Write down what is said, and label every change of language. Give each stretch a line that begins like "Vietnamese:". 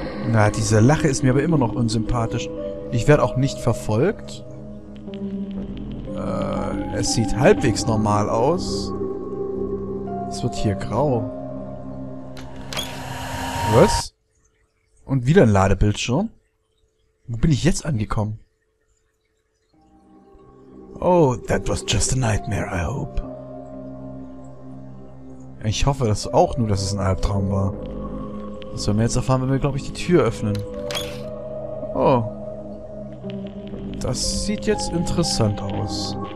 German: Na, diese Lache ist mir aber immer noch unsympathisch. Ich werde auch nicht verfolgt. Es sieht halbwegs normal aus. Es wird hier grau. Was? Und wieder ein Ladebildschirm. Wo bin ich jetzt angekommen?
English: Oh, that was just a nightmare, I hope.
German: Ich hoffe das auch nur, dass es ein Albtraum war. Das werden wir jetzt erfahren, wenn wir, glaube ich, die Tür öffnen. Oh. Das sieht jetzt interessant aus.